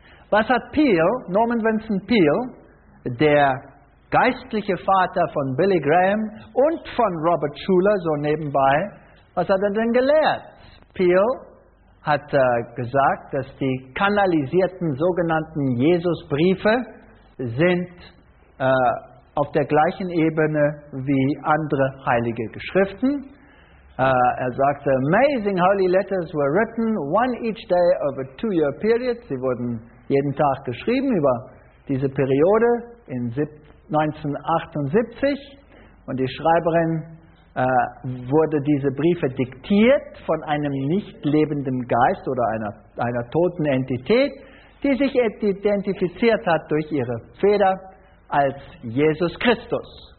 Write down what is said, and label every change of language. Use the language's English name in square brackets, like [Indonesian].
[German] Was hat Peale, Norman Vincent Peale, der geistliche Vater von Billy Graham und von Robert Schuller, so nebenbei, was hat er denn gelehrt? Peale hat gesagt, dass die kanalisierten sogenannten Jesusbriefe sind auf der gleichen Ebene wie andere heilige Geschriften. Er sagte, [English] amazing holy letters were written, one each day over a 2-year period. [German] Sie wurden jeden Tag geschrieben über diese Periode in 1978. Und die Schreiberin wurde diese Briefe diktiert von einem nicht lebenden Geist oder einer toten Entität, die sich identifiziert hat durch ihre Feder als Jesus Christus.